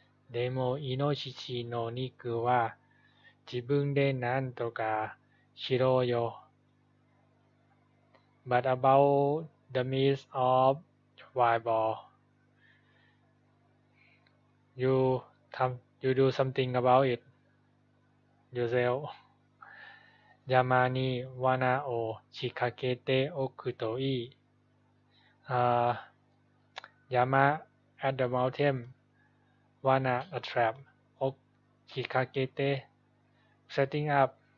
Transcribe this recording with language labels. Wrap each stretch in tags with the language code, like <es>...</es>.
<ja>でもイノシシの肉は自分でなんとかしろよ。</ja> <en>But about the meat of wild boar, you do something about it yourself.</en> <ja>やまに罠を仕掛けておくといい。</ja> <en>山 at the mountain. Wanna a trap? Ok, chikakete, setting up.</en>